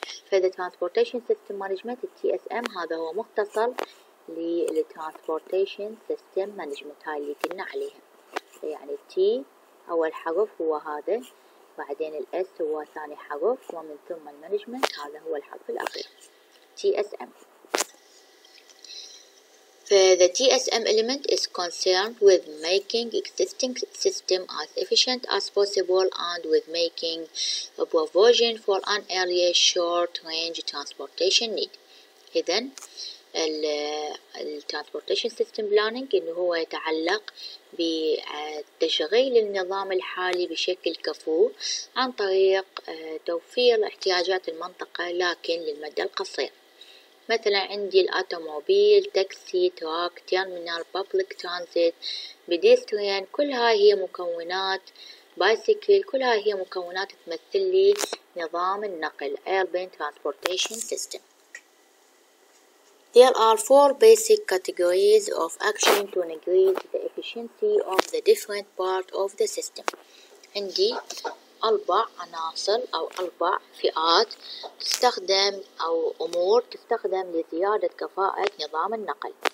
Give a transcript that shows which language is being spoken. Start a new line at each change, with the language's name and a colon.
Arabic: فإذا
English: transportation system management TSM
Arabic: هذا هو مختصر لل
English: transportation system management،
Arabic: هاي اللي كنا عليها، يعني T أول حرف هو هذا، بعدين الS هو ثاني حرف، ومن ثم المانجمنت هذا هو الحرف الأخير TSM.
English: The TSM element is concerned with making existing system as efficient as possible and with making a provision for an area short range transportation need.
Arabic: إذن الـ
English: transportation system planning
Arabic: إنه هو يتعلق بتشغيل النظام الحالي بشكل كفو عن طريق توفير احتياجات المنطقة لكن للمدى القصير. مثلا عندي الاوتوموبيل، تاكسي، تراك، تيرمينال، بابليك ترانزيت، بيديستريان، كل هاي هي مكونات، بايسيكل، كل هاي هي مكونات تمثل لي نظام النقل
English: urban transportation system. There are 4 basic categories of action to increase the efficiency of the different part of the system.
Arabic: عندي 4 عناصر أو 4 فئات تستخدم أو أمور تستخدم لزيادة كفاءة نظام النقل.